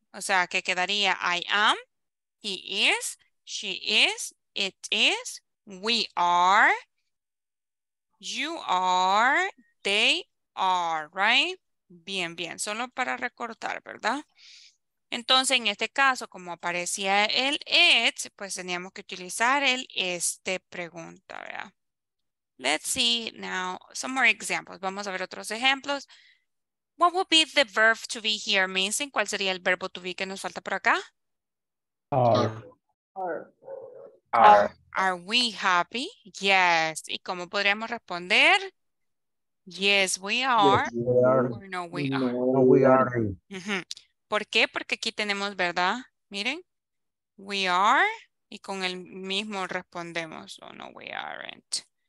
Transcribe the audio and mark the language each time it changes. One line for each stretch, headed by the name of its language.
Spanish: O sea, que quedaría
English: I am, he is, she is, it is, we are, you are, they are, right?
Spanish: Bien, bien, solo para recortar, ¿verdad? Entonces, en este caso, como aparecía el it, pues teníamos que utilizar el este pregunta, ¿verdad?
English: Let's see now some more examples.
Spanish: Vamos a ver otros ejemplos.
English: What would be the verb to be here missing?
Spanish: ¿Cuál sería el verbo to be que nos falta por acá?
English: Are we happy? Yes.
Spanish: ¿Y cómo podríamos responder?
English: Yes, we are. No, we are.
Spanish: ¿Por qué? Porque aquí tenemos, ¿verdad? Miren, we are y con el mismo respondemos,
English: oh, no, we aren't.